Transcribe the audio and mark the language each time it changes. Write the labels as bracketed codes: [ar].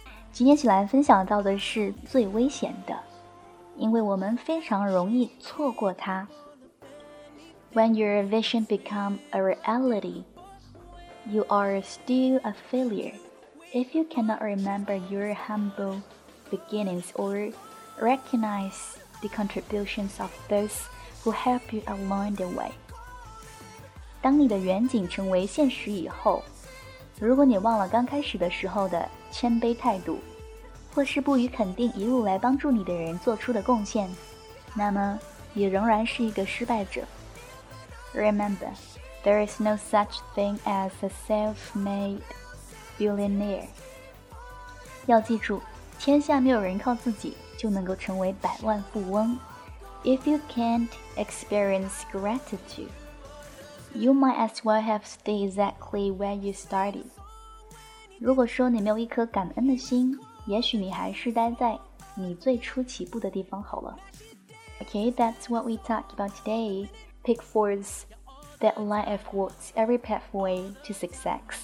[zh] 今天起来分享到的是最危险的因为我们非常容易错过它。 [en] When your vision becomes a reality, you are still a failure if you cannot remember your humble beginnings or recognize the contributions of those who help you along the way. [zh] 当你的远景成为现实以后，如果你忘了刚开始的时候的谦卑态度或是不予肯定一路来帮助你的人做出的贡献，那么你仍然是一个失败者。 [en] Remember, there is no such thing as a self-made billionaire. [zh] 要记住，天下没有人靠自己就能够成为百万富翁。 [en] If you can't experience gratitude, you might as well have stayed exactly where you started. [zh] 如果说你没有一颗感恩的心，也许你还是待在你最初起步的地方好了。 [en] Okay, that's what we talked about today. Pitfalls that line up with every pathway to success.